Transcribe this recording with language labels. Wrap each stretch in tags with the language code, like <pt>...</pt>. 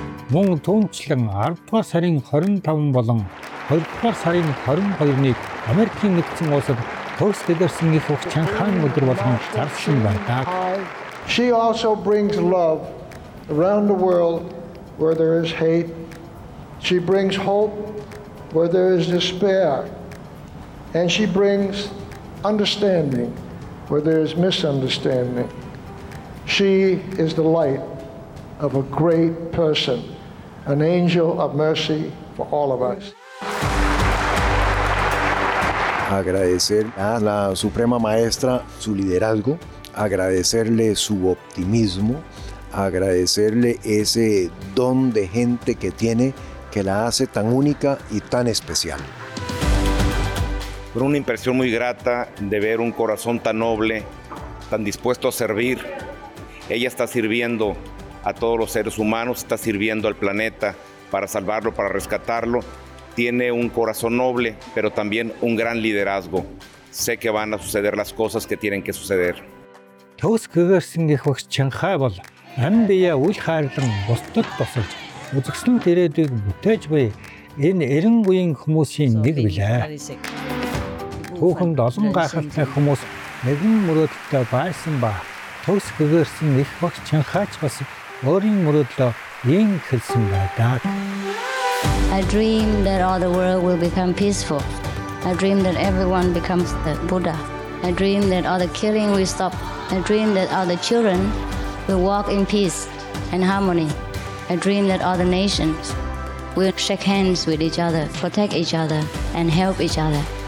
<mn>Мөн түүнчлэн 10-р сарын 25 болон 20-р сарын 22-ныг Америкийн нэгдсэн улсад төгс гэгэрсэн их багш чанхаан өдөр болгон зарлсан байдаг.</mn> <en>She also brings love around the world where there is hate. She brings hope where there is despair. And she brings understanding where there is misunderstanding. She is the light of a great person. An angel of mercy for all of us.</en> <es>Agradecer a la Suprema Maestra su liderazgo, agradecerle su optimismo, agradecerle ese don de gente que tiene que la hace tan única y tan especial. Fue una impresión muy grata de ver un corazón tan noble, tan dispuesto a servir. Ella está sirviendo a todos los seres humanos, está sirviendo al planeta para salvarlo, para rescatarlo. Tiene un corazón noble, pero también un gran liderazgo. Sé que van a suceder las cosas que tienen que suceder.</es> <mn>Төгс гэгэрсэн их багш чанхай бол амь бие үл хайрлан бусдад тусалж үзэсгэлэнт ирээдүйг бүтээж буй энэ эрен буян хүмүүсийн нэг билээ. Түүхэнд олон гайхалтай хүмүүс нэгэн мөрөөдөлтөй байсан ба төгс гэгэрсэн их багш чанхаач бас өөрийн мөрөдлөө ийм хэлсэн байдаг.</mn> <en>I dream that all the world will become peaceful. I dream that everyone becomes the Buddha. I dream that all the killing will stop. I dream that all the children will walk in peace and harmony. I dream that all the nations will shake hands with each other, protect each other, and help each other.</en>